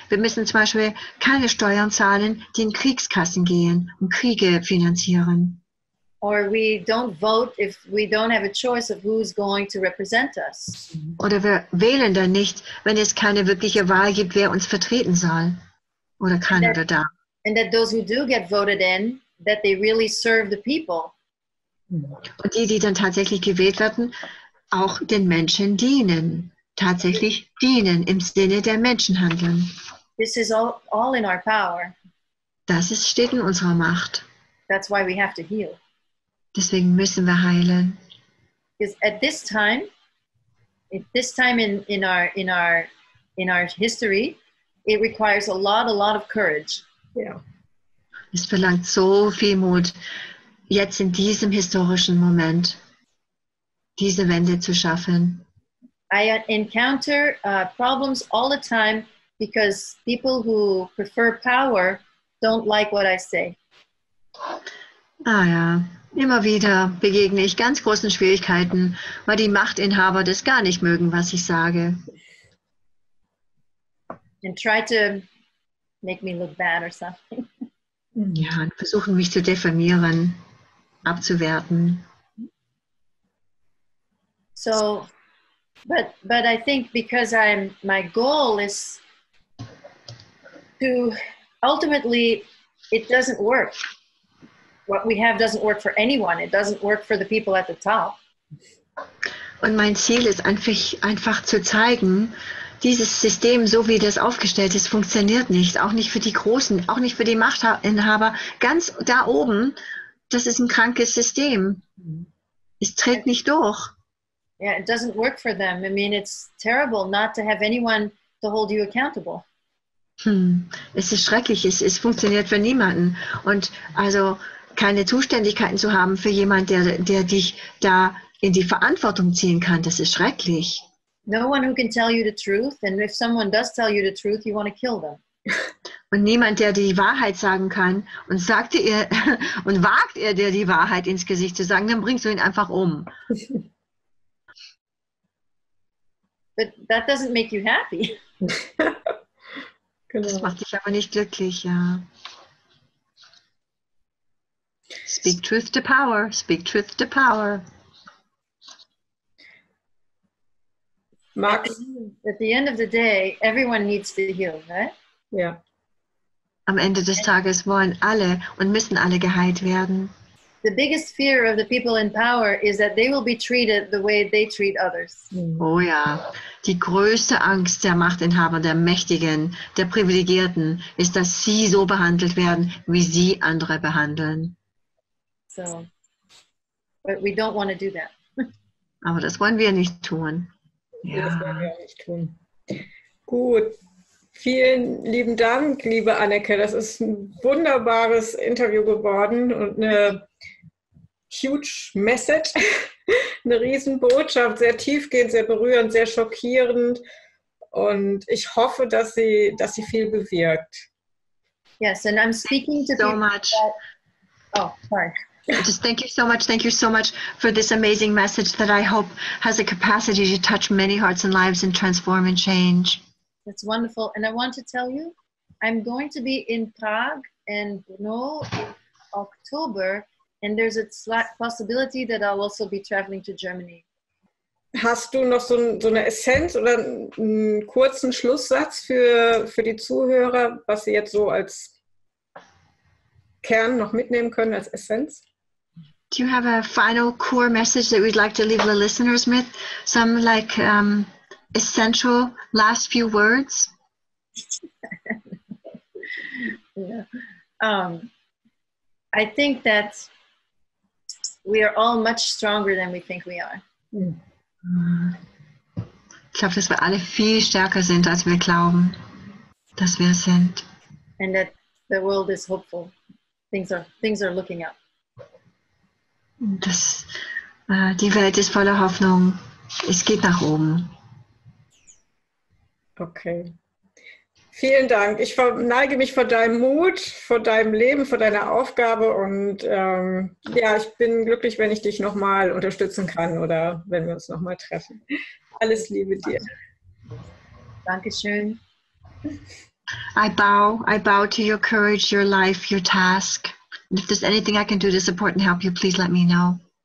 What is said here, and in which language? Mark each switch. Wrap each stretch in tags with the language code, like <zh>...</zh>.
<de>Wir müssen zum Beispiel keine Steuern zahlen, die in Kriegskassen gehen und Kriege finanzieren.</de> <en>Or we don't vote if we don't have a choice of who's going to represent us.</en> <de>Oder wir wählen dann nicht, wenn es keine wirkliche Wahl gibt, wer uns vertreten soll oder kann</de> <en>and that,</en> <de>oder darf.</de> <en>And that those who do get voted in, that they really serve the people.</en> <de>Und die, die dann tatsächlich gewählt werden, auch den Menschen dienen. Tatsächlich dienen im Sinne der Menschen handeln.</de> <en>This is all in our power.</en> <de>Das ist, steht in unserer Macht.</de> <en>That's why we have to heal.</en> <de>Deswegen müssen wir heilen.</de> <en>Because at this time in our history, it requires a lot of courage. Yeah.</en> <de>Es verlangt so viel Mut, jetzt in diesem historischen Moment diese Wende zu schaffen.</de> <en>I encounter problems all the time because people who prefer power don't like what I say.</en> <de>Ah ja. Immer wieder begegne ich ganz großen Schwierigkeiten, weil die Machtinhaber das gar nicht mögen, was ich sage.</de> <en>And try to make me look bad or something.</en> <de>Ja, und versuchen mich zu diffamieren, abzuwerten.</de> <en>So, but I think because my goal is to ultimately it doesn't work. What we have doesn't work for anyone. It doesn't work for the people at the top.</en> <de>Und mein Ziel ist einfach zu zeigen, dieses System, so wie das aufgestellt ist, funktioniert nicht. Auch nicht für die Großen, auch nicht für die Machtinhaber. Ganz da oben, das ist ein krankes System. Es tritt nicht durch.</de> <en>Yeah, it doesn't work for them. I mean, it's terrible not to have anyone to hold you accountable.</en> <de>Es ist schrecklich. Es funktioniert für niemanden. Und also keine Zuständigkeiten zu haben für jemanden, der dich da in die Verantwortung ziehen kann, das ist schrecklich.</de> <en>No one who can tell you the truth, and if someone does tell you the truth, you want to kill them.</en> <de>Und niemand, der dir die Wahrheit sagen kann und sagte ihr und wagt ihr dir die Wahrheit ins Gesicht zu sagen, dann bringst du ihn einfach um.</de> <en>But that doesn't make you happy.</en> <de>Das macht dich aber nicht glücklich, ja.</de> <en>Speak truth to power. Speak truth to power. Max. At the end of the day, everyone needs to heal, right?</en> <de>Ja. Am Ende des Tages wollen alle und müssen alle geheilt werden.</de> <en>The biggest fear of the people in power is that they will be treated the way they treat others.</en> <de>Oh ja. Die größte Angst der Machtinhaber, der Mächtigen, der Privilegierten ist, dass sie so behandelt werden, wie sie andere behandeln.</de> <en>So, but we don't want to do that.</en> <de>Aber das wollen wir nicht tun. Ja. Das wollen wir nicht tun. Gut. Vielen lieben Dank, liebe Anneke. Das ist ein wunderbares Interview geworden und eine</de> <en>huge message,</en> <de>eine Riesenbotschaft. Sehr tiefgehend, sehr berührend, sehr schockierend. Und ich hoffe, dass sie viel bewirkt.</de> <en>Yes, and I'm speaking to so much. Sorry. Just thank you so much for this amazing message that I hope has the capacity to touch many hearts and lives and transform and change. That's wonderful. And I want to tell you, I'm going to be in Prague and Brno in October, and there's a slight possibility that I'll also be traveling to Germany.</en> <de>Hast du noch so eine Essenz oder einen kurzen Schlusssatz für die Zuhörer, was sie jetzt so als Kern noch mitnehmen können, als Essenz?</de> <en>Do you have a final core message that we'd like to leave the listeners with? Some like essential last few words? Yeah. I think that we are all much stronger than we think we are.</en> <de>Ich glaube, dass wir alle viel stärker sind, als wir glauben, dass wir sind.</de> <en>And that the world is hopeful. Things are looking up.</en> <de>Die Welt ist voller Hoffnung. Es geht nach oben. Okay. Vielen Dank. Ich verneige mich vor deinem Mut, vor deinem Leben, vor deiner Aufgabe und ja, ich bin glücklich, wenn ich dich nochmal unterstützen kann oder wenn wir uns nochmal treffen. Alles Liebe dir. Dankeschön.</de> <en>I bow to your courage, your life, your task. And if there's anything I can do to support and help you, please let me know.</en>